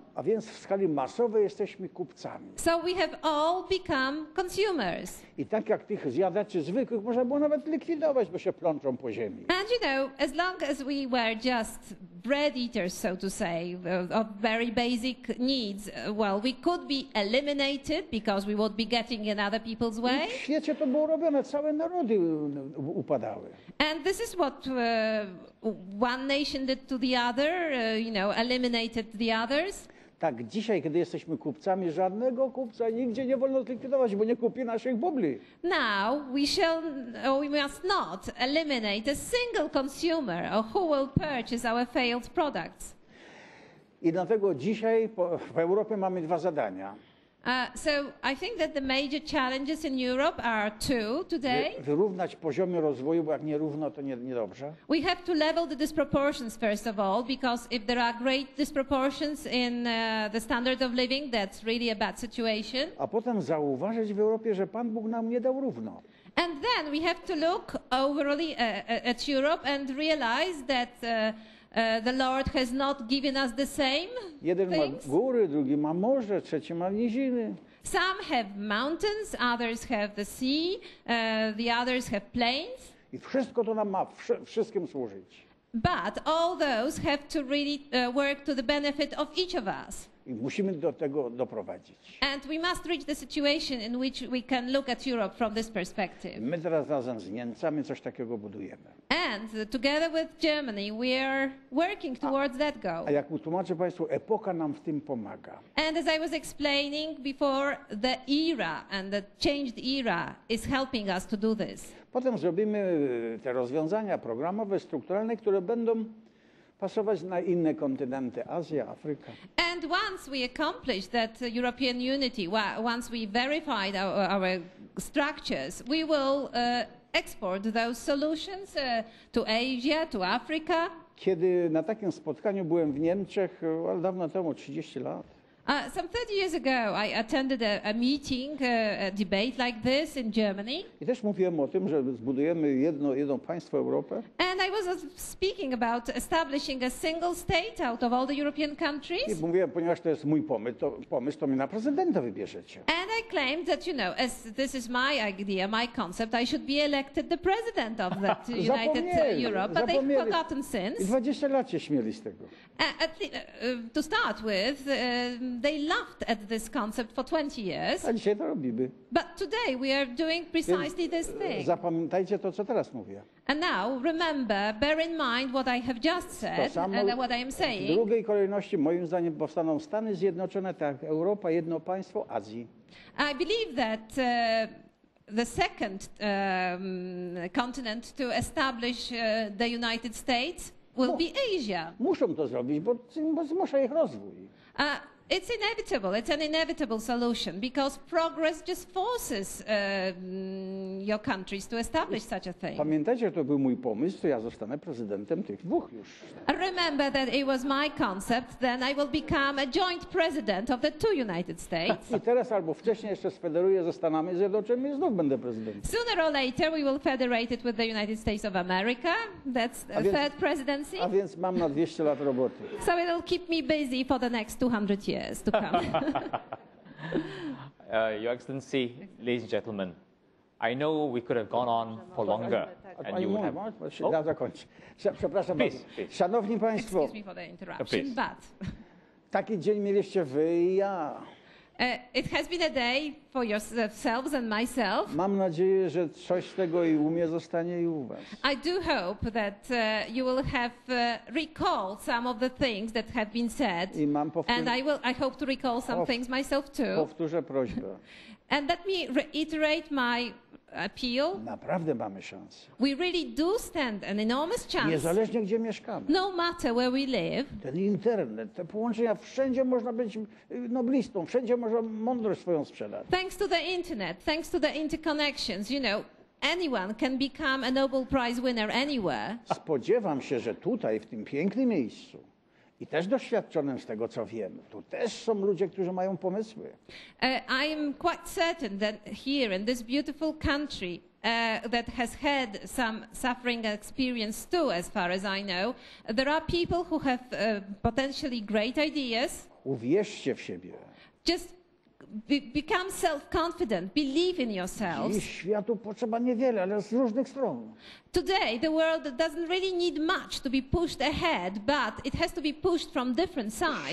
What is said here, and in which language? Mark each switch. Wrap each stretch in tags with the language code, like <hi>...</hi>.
<pl>A więc w skali masowej jesteśmy kupcami.</pl> <en>So we have all become consumers.</en> <pl>I tak jak tych zjadaczy zwykłych można było nawet likwidować, bo się plączą po ziemi.</pl> <en>And you know, as long as we were just bread eaters, so to say, of very basic needs, well, we could be eliminated because we would be getting in other people's way.</en> <pl>I w świecie to było robione, całe narody upadały.</pl> <en>And this is what one nation did to the other, you know, eliminated the others.</en> <pl>Tak, dzisiaj, kiedy jesteśmy kupcami, żadnego kupca nigdzie nie wolno zlikwidować, bo nie kupi naszych bubli.</pl> <en>Now we must not eliminate a single consumer or who will purchase our failed products.</en> <pl>I dlatego dzisiaj w Europie mamy dwa zadania.</pl> <en>So I think that the major challenges in Europe are two today.</en> <pl>Wyrównać poziomy rozwoju, bo jak nierówno, to niedobrze.</pl> <en>We have to level the disproportions first of all, because if there are great disproportions in the standard of living, that's really a bad situation.</en> <pl>A potem zauważyć w Europie, że Pan Bóg nam nie dał równo.</pl> <en>And then we have to look overly at Europe and realize that the Lord has not given us the same</en> <pl>jeden</pl> <en>things.</en> <pl>Jeden ma góry, drugi ma morze, trzeci ma niziny.</pl> <en>Some have mountains, others have the sea, the others have plains.</en> <pl>I wszystko to nam ma wszystkim służyć.</pl> <en>But all those have to really work to the benefit of each of us.</en> <pl>I musimy do tego doprowadzić.</pl> <en>And we must reach the situation in which we can look at Europe from this perspective.</en> <pl>My teraz razem z Niemcami coś takiego budujemy.</pl> <en>And together with Germany we are working towards that goal.</en> <pl>A jak utłumaczę Państwu, epoka nam w tym pomaga.</pl> <en>And as I was explaining before, the era and the changed era is helping us to do this.</en> <pl>Potem zrobimy te rozwiązania programowe, strukturalne, które będą pasować na inne kontynenty, Azja, Afryka.</pl> <en>And once we accomplish that European unity, once we verified our structures, we will export those solutions to Asia, to Africa.</en> <pl>Kiedy na takim spotkaniu byłem w Niemczech, dawno temu, 30 lat.</pl> <en>Some 30 years ago I attended a meeting, a debate like this in Germany.</en> <pl>I też mówiłem o tym, że zbudujemy jedno państwo Europę.</pl> <en>And I was speaking about establishing a single state out of all the European countries.</en> <pl>I mówiłem, ponieważ to jest mój pomysł, to mnie na prezydenta wybierzecie.</pl> <en>And I claimed that, you know, as this is my idea, my concept, I should be elected the president of that United Europe. But</en> <pl>zapomnieli.</pl> <en>They've forgotten since.</en> <pl>20 lat się śmieli z tego.</pl> <en>To start with, they laughed at this concept for 20 years.</en> <pl>A dzisiaj to robimy.</pl> <en>But today we are doing precisely this thing.</en> <pl>Zapamiętajcie to, co teraz mówię.</pl> <en>And now, remember, bear in mind what I have just said and what I am saying.</en> <pl>W drugiej kolejności, moim zdaniem, powstaną Stany Zjednoczone, tak, Europa, jedno państwo, Azji.</pl> <en>I believe that the second continent to establish the United States will be Asia.</en> <pl>Muszą to zrobić, bo zmusza ich rozwój.</pl> <en>It's inevitable. It's an inevitable solution because progress just forces your countries to establish such a thing.</en> <pl>Pamiętajcie, to był mój pomysł, to ja zostanę prezydentem tych dwóch już.</pl> <en>Remember that it was my concept, then I will become a joint president of the two United States.</en> <pl>I teraz albo wcześniej jeszcze sfederuję ze Stanami Zjednoczonymi i znów będę prezydentem.</pl> <en>Sooner or later we will federate it with the United States of America. That's the third presidency.</en> <pl>A więc mam na 200 lat roboty.</pl> <en>So it'll keep me busy for the next 200 years to come. Your Excellency, ladies and gentlemen, I know we could have gone on for longer. And you would have...</en> <pl>Oh. Przepraszam</pl> <en>please,</en> <pl>bardzo.</pl> <en>Please.</en> <pl>Szanowni Państwo,</pl> <en>excuse me for the interruption, please. But...</en> <pl>taki dzień mieliście wy i ja.</pl> <en>It has been a day for yourselves and myself.</en> <pl>Mam nadzieję, że coś z tego i u mnie zostanie i u was.</pl> <en>I do hope that you will have recalled some of the things that have been said.</en> <pl>I mam powtórzę.</pl> <en>And I hope to recall some things myself too.</en> <pl>Powtórzę prośbę.</pl> <en>And let me reiterate my appeal.</en> <pl>Naprawdę mamy szansę.</pl> <en>We really do stand an enormous chance.</en> <pl>Niezależnie gdzie mieszkamy.</pl> <en>No matter where we live.</en> <pl>Ten internet, te połączenia, wszędzie można być noblistą, wszędzie można mądrość swoją sprzedać.</pl> <en>Thanks to the internet, thanks to the interconnections, you know, anyone can become a Nobel Prize winner anywhere.</en> <pl>Spodziewam się, że tutaj, w tym pięknym miejscu, i też doświadczonym z tego, co wiem. Tu też są ludzie, którzy mają pomysły.</pl> <en>I am quite certain that here in this beautiful country that has had some suffering experience too, as far as I know, there are people who have potentially great ideas.</en> <pl>Uwierzcie w siebie.</pl> <en>Just become self-confident, believe in yourselves.</en> <pl>Dziś światu potrzeba niewiele, ale z różnych stron.</pl> <en>Today the world doesn't really need much to be pushed ahead, but it has to be pushed from different sides.</en>